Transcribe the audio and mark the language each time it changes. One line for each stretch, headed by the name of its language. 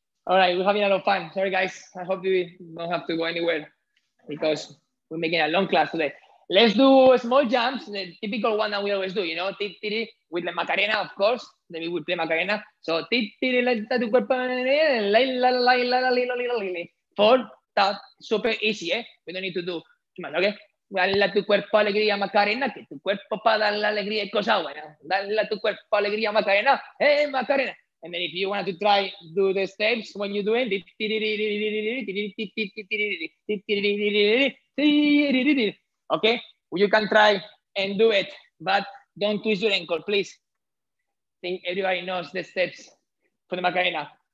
English: All right, we're having a lot of fun. Sorry, guys. I hope you don't have to go anywhere because we're making a long class today. Let's do small jumps, the typical one that we always do, you know, tip-tiri with the Macarena, of course. Then we would play Macarena. So tip-tiri, la cuerpo, la four, tap, super easy, eh? We don't need to do too much, okay?
Spanish: Dale a tu cuerpo alegría, Macarena, que tu cuerpo para dar la alegría es cosa buena. Dale a tu cuerpo alegría, Macarena, hey, Macarena.
English: And then if you want to try do the steps when you do it, okay, well, you can try and do it, but don't twist your ankle, please. I think everybody knows the steps for the Macarena.